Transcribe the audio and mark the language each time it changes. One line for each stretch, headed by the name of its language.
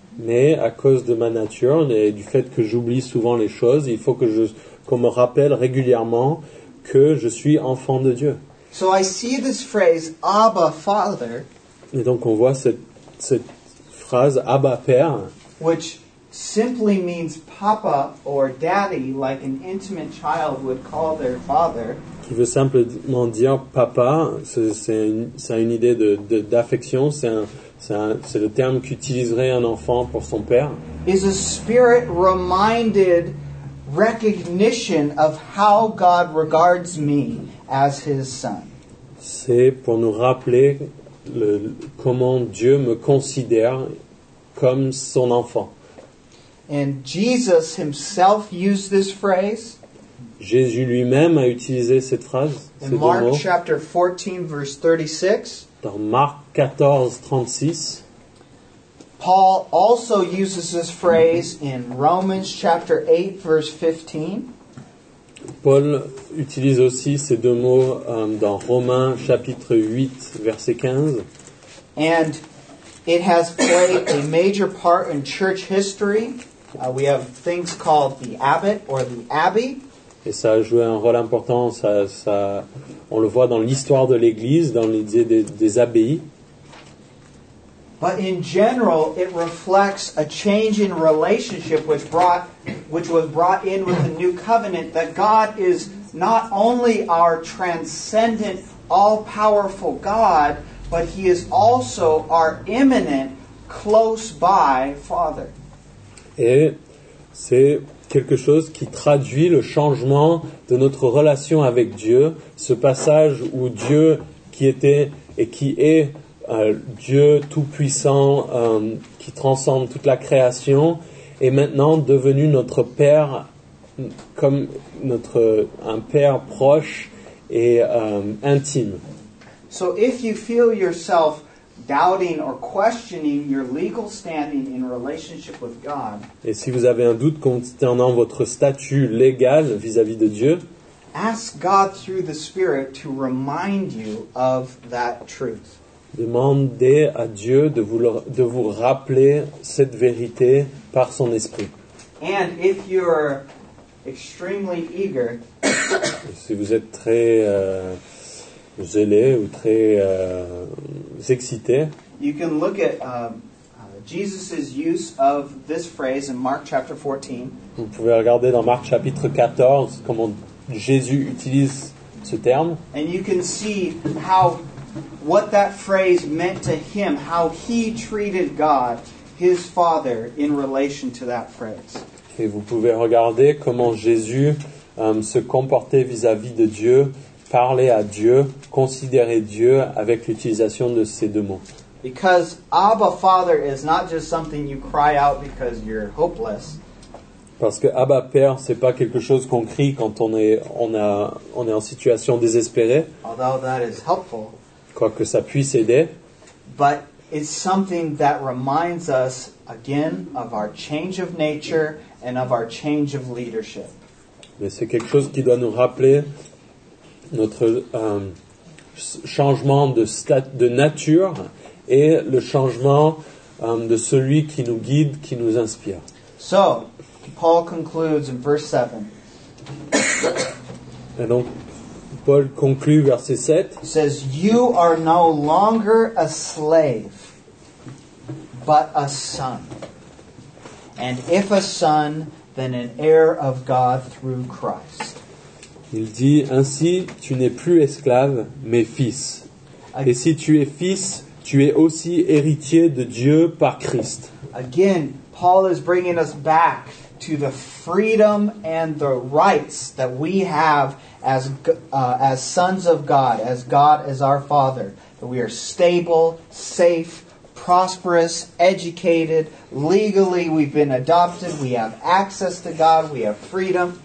French: Mais à cause de ma nature et du fait que j'oublie souvent les choses, il faut que qu'on me rappelle régulièrement que je suis enfant de Dieu.
English: So I see this phrase, Abba Father.
French: Et donc on voit cette phrase Abba Père,
English: which simply means papa or daddy, like an intimate child would call their father.
French: Qui veut simplement dire papa, c'est une idée de d'affection, c'est le terme qu'utiliserait un enfant pour son père.
English: Is a spirit reminded recognition of how God regards me as His son.
French: C'est pour nous rappeler comment Dieu me considère comme son enfant.
English: And Jesus himself used this phrase.
French: Jésus lui-même a utilisé cette phrase.
English: In Mark chapter 14 verse 36.
French: Dans Marc 14, 36,
English: Paul also uses this phrase in Romans chapter 8, verse 15.
French: Paul utilise aussi ces deux mots dans Romains chapitre 8, verset 15.
English: And it has played a major part in church history. We have things called the abbot or the abbey.
French: Et ça a joué un rôle important, on le voit dans l'histoire de l'Église, dans l'idée des abbayes.
English: But in general, it reflects a change in relationship which was brought in with the new covenant, that God is not only our transcendent, all-powerful God, but He is also our imminent, close-by Father.
French: Et c'est quelque chose qui traduit le changement de notre relation avec Dieu, ce passage où Dieu qui était et qui est Dieu tout-puissant, qui transcende toute la création, est maintenant devenu notre Père, comme un Père proche et intime.
English: So if you feel yourself doubting or questioning your legal standing in relationship with God,
French: et si vous avez un doute concernant votre statut légal vis-à-vis de Dieu,
English: ask God through the Spirit to remind you of that truth.
French: Demandez à Dieu de vous rappeler cette vérité par son esprit.
English: And if you're extremely eager,
French: si vous êtes très zélé ou très excité,
English: you can look at Jesus's use of this phrase in Mark chapter 14.
French: Vous pouvez regarder dans Marc chapitre 14 comment Jésus utilise ce terme.
English: And you can see how what that phrase meant to him, how he treated God, his Father, in relation to that phrase.
French: Et vous pouvez regarder comment Jésus se comportait vis-à-vis de Dieu, parler à Dieu, considérer Dieu avec l'utilisation de ces deux mots.
English: Because Abba Father is not just something you cry out because you're hopeless.
French: Parce que Abba Père, c'est pas quelque chose qu'on crie quand on est en situation désespérée.
English: Although that is helpful.
French: Quoi que ça puisse aider.
English: But it's something that reminds us again of our change of nature and of our change of leadership.
French: Mais c'est quelque chose qui doit nous rappeler notre changement de nature et le changement de celui qui nous guide, qui nous inspire.
English: So, Paul concludes in verse 7.
French: Et donc, Paul conclut verset 7.
English: He says, you are no longer a slave, but a son. And if a son, then an heir of God through Christ.
French: Il dit, ainsi, tu n'es plus esclave, mais fils. Et si tu es fils, tu es aussi héritier de Dieu par Christ.
English: Again, Paul is bringing us back to the freedom and the rights that we have as sons of God, as God as our Father. That we are stable, safe, prosperous, educated, legally we've been adopted, we have access to God, we have freedom.